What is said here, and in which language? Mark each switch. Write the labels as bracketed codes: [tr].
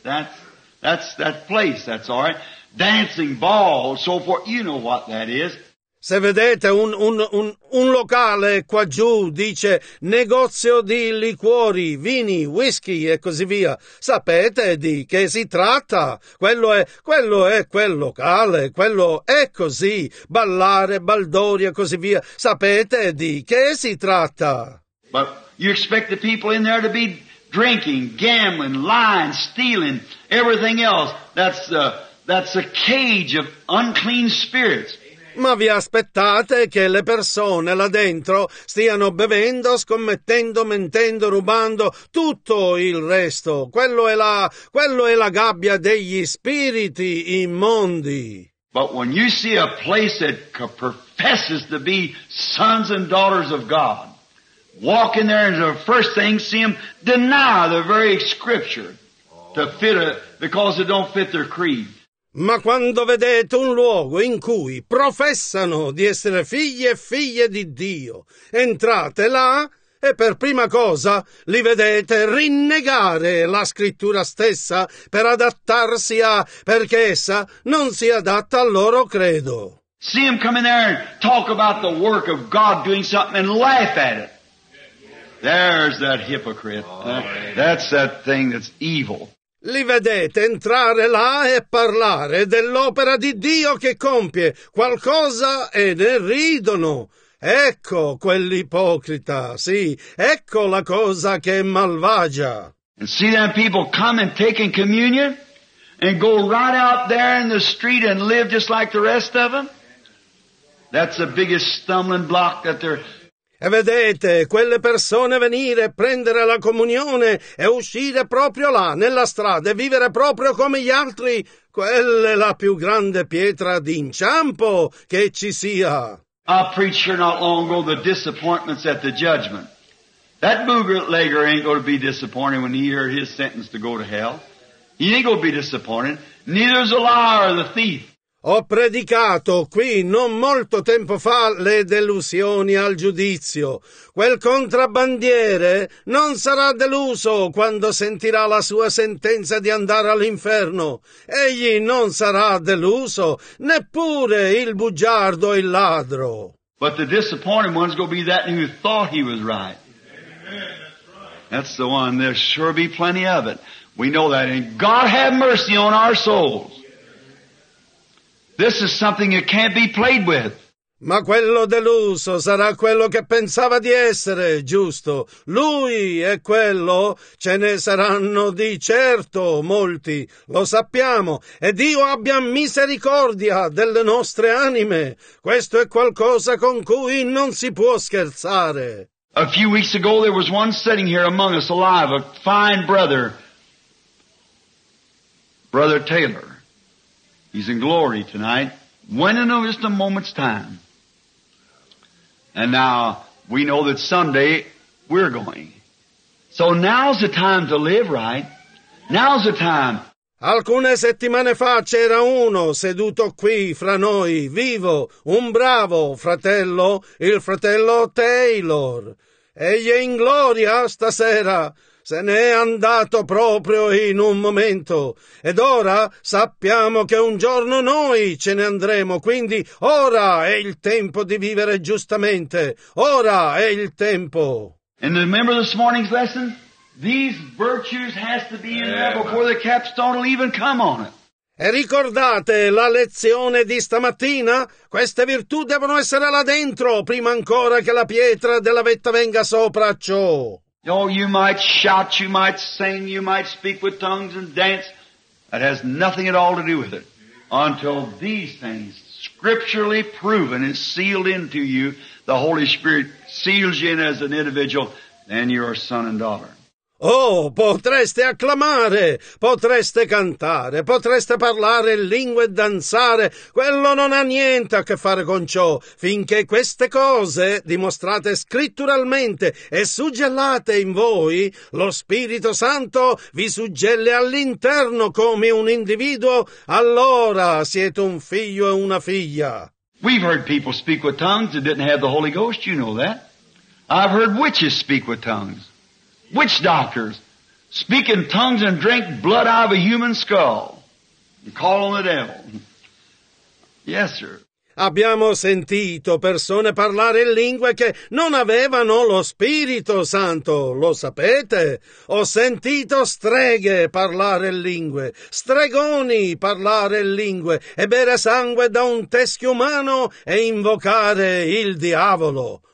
[en] That's that place, that's all right. Dancing, ball, so forth, you know what that is. [it] Se vedete un locale qua giù, dice negozio di liquori, vini, whisky e così via, sapete di che si tratta? Quello è quel locale, quello è così, ballare, baldori e così via, sapete di che si tratta? [en] But you expect the people in there to be drinking, gambling, lying, stealing, everything else. That's a cage of unclean spirits. [it] Ma vi aspettate che le persone là dentro stiano bevendo, scommettendo, mentendo, rubando tutto il resto. Quello è la gabbia degli spiriti immondi. [en] But when you see a place that professes to be sons and daughters of God, walk in there and the first thing see them deny the very scripture to fit it because it don't fit their creed. [it] Ma quando vedete un luogo in cui professano di essere figli e figlie di Dio, entrate là e per prima cosa li vedete rinnegare la scrittura stessa per adattarsi a, perché essa non si adatta al loro credo. [en] See them come in there and talk about the work of God doing something and laugh at it. There's that hypocrite. That's that thing that's evil. [it] Li vedete entrare là e parlare dell'opera di Dio che compie qualcosa e ne ridono. Ecco quell'ipocrita, sì, ecco la cosa che è malvagia. [en] And see them people come and take in communion and go right out there in the street and live just like the rest of them? That's the biggest stumbling block that they're... [it] E vedete quelle persone venire, prendere la comunione e uscire proprio là, nella strada, e vivere proprio come gli altri, quella è la più grande pietra d'inciampo che ci sia. [en] I preached here not long ago the disappointments at the judgment. That bootlegger ain't going to be disappointed when he hears his sentence to go to hell. He ain't going to be disappointed. Neither is the liar or the thief. [it] Ho predicato qui non molto tempo fa le delusioni al giudizio. Quel contrabbandiere non sarà deluso quando sentirà la sua sentenza di andare all'inferno. Egli non sarà deluso, neppure il bugiardo e il ladro. [en] But the disappointed one's gonna be that who thought he was right. That's the one. There'll sure be plenty of it. We know that. And God have mercy on our souls. This is something you can't be played with. [it] Ma quello deluso sarà quello che pensava di essere giusto. Lui e quello ce ne saranno di certo molti, lo sappiamo. E Dio abbia misericordia delle nostre anime. Questo è qualcosa con cui non si può scherzare. [en] A few weeks ago there was one sitting here among us alive, a fine brother. Brother Taylor. He's in glory tonight. When in just a moment's time. And now we know that someday we're going. So now's the time to live right. Now's the time. [it] Alcune settimane fa c'era uno seduto qui fra noi, vivo, un bravo fratello, il fratello Taylor. Egli è in gloria stasera. Se n'è andato proprio in un momento. Ed ora sappiamo che un giorno noi ce ne andremo. Quindi ora è il tempo di vivere giustamente. Ora è il tempo. [en] And remember this morning's lesson? These virtues has to be in there before the capstone will even come on it. [it] E ricordate la lezione di stamattina? Queste virtù devono essere là dentro prima ancora che la pietra della vetta venga sopra ciò. [en] Oh, you might shout, you might sing, you might speak with tongues and dance. That has nothing at all to do with it. Until these things, scripturally proven, is sealed into you, the Holy Spirit seals you in as an individual, then you are son and daughter. [it] Oh, potreste acclamare, potreste cantare, potreste parlare lingue e danzare. Quello non ha niente a che fare con ciò, finché queste cose dimostrate scritturalmente e suggellate in voi, lo Spirito Santo vi suggelle all'interno come un individuo, allora siete un figlio e una figlia. [en] We've heard people speak with tongues that didn't have the Holy Ghost, you know that. I've heard witches speak with tongues. Witch doctors speak in tongues and drink blood out of a human skull and call on the devil. Yes, sir. [it] Abbiamo sentito persone parlare in lingue che non avevano lo Spirito Santo, lo sapete? Ho sentito streghe parlare in lingue, stregoni parlare in lingue e bere sangue da un teschio umano e invocare il diavolo.